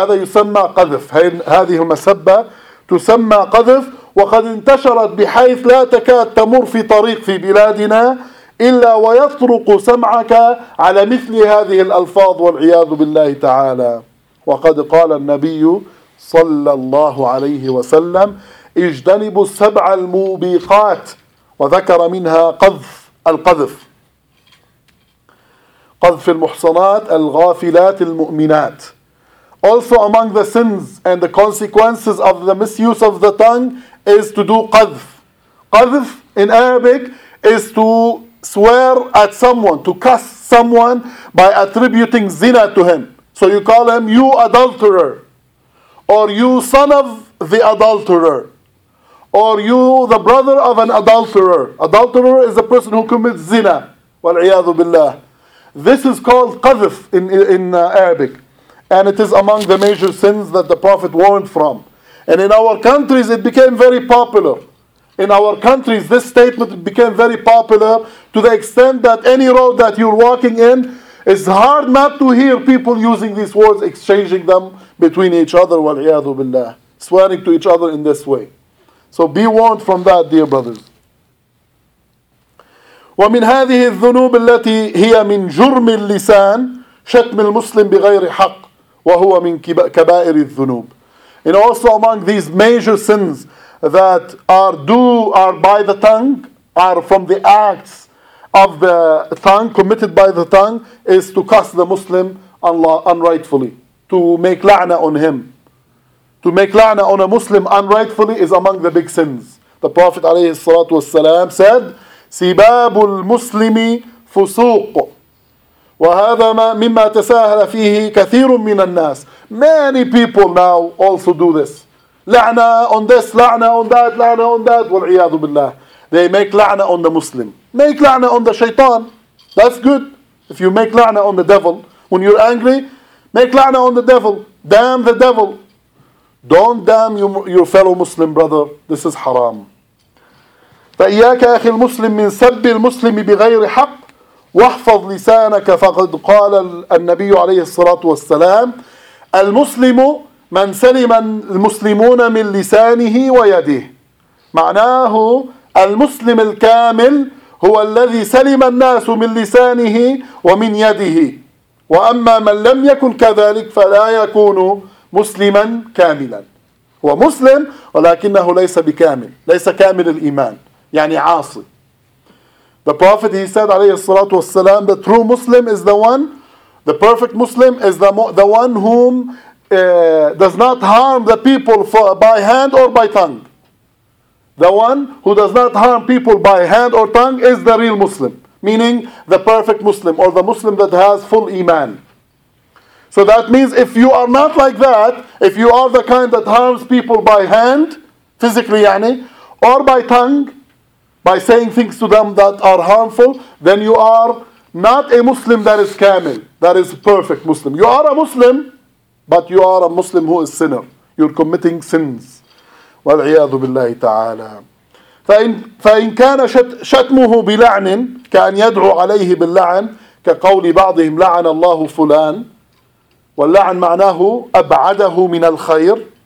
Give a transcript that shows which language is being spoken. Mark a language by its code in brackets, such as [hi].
[ar] هذا يسمى قذف, هذه المسبة تسمى قذف, وقد انتشرت بحيث لا تكاد تمر في طريق في بلادنا إلا ويطرق سمعك على مثل هذه الألفاظ والعياذ بالله تعالى. وقد قال النبي صلى الله عليه وسلم اجتنبوا السبع الموبقات, وذكر منها قذف القذف, قذف المحصنات الغافلات المؤمنات. [en] Also among the sins and the consequences of the misuse of the tongue is to do qadf. Qadf in Arabic is to swear at someone, to cuss someone by attributing zina to him. So you call him, you adulterer, or you son of the adulterer, or you the brother of an adulterer. Adulterer is a person who commits zina, [ar] wal'iyadu billah. [en] This is called qadf in Arabic. And it is among the major sins that the Prophet warned from. And in our countries, it became very popular. In our countries, this statement became very popular to the extent that any road that you're walking in, it's hard not to hear people using these words, exchanging them between each other, [ar] وَالْعِيَاذُ بِاللَّهِ, [en] swearing to each other in this way. So be warned from that, dear brothers. [ar] ومن هذه الذنوب التي هي من جرم اللسان شتم المسلم بغير حق وهو من كبائر الذنوب. [en] And also among these major sins that are by the tongue are from the acts of the tongue committed by the tongue is to curse the Muslim unrightfully, to make la'na on him. To make la'na on a Muslim unrightfully is among the big sins. The Prophet [ar] عليه الصلاة والسلام [en] said, [ar] سباب المسلم فسوق وهذا ما مما تساهل فيه كثير من الناس. [en] Many people now also do this. La'na on this, la'na on that, la'na on that. [ar] والعياذ بالله. [en] They make la'na on the Muslim. Make la'na on the shaitan. That's good. If you make la'na on the devil, when you're angry, make la'na on the devil. Damn the devil. Don't damn your fellow Muslim brother. This is haram. [ar] فإياك أخي المسلم من سب المسلم بغير حق واحفظ لسانك فقد قال النبي عليه الصلاة والسلام المسلم من سلم المسلمون من لسانه ويده. معناه المسلم الكامل هو الذي سلم الناس من لسانه ومن يده، وأما من لم يكن كذلك فلا يكون مسلما كاملا. هو مسلم ولكنه ليس بكامل، ليس كامل الإيمان، يعني عاصي. [en] The Prophet he said [ar] عليه الصلاة والسلام [en] the true Muslim is the one, the perfect Muslim is the one whom does not harm the people by hand or by tongue. The one who does not harm people by hand or tongue is the real Muslim, meaning the perfect Muslim or the Muslim that has full Iman. So that means if you are not like that, if you are the kind that harms people by hand, physically يعني, or by tongue, by saying things to them that are harmful, then you are not a Muslim that is kamil, that is perfect Muslim. You are a Muslim, but you are a Muslim who is sinner. You're committing sins. [ar] والعياذ بالله تعالى. فإن كان شتمه بلعن كأن يدعو عليه باللعن كقول بعضهم لعن الله فلان، واللعن معناه أبعده من الخير.